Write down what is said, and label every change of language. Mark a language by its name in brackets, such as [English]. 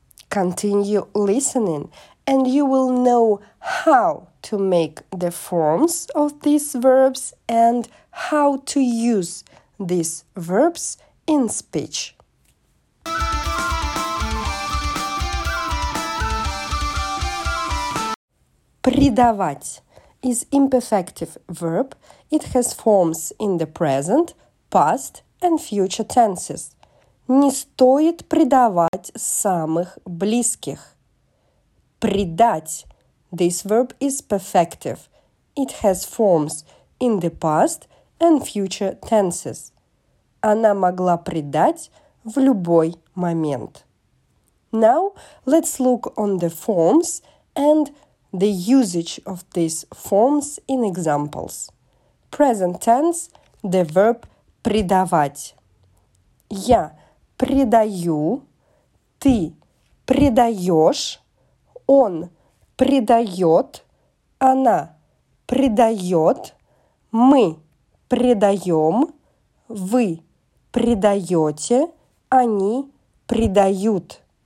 [English] Continue listening, and you will know how to make the forms of these verbs and how to use these verbs in speech. Предавать is imperfective verb. It has forms in the present, past and future tenses. [Russian] Не стоит предавать самых близких. [English] Предать. This verb is perfective. It has forms in the past and future tenses. [Russian] Она могла предать в любой момент. [English] Now, let's look on the forms and the usage of these forms in examples. Present tense, the verb предавать. [Russian] Я предаю, ты предаешь, он предает, она предает, мы предаем, вы предаете, они предают.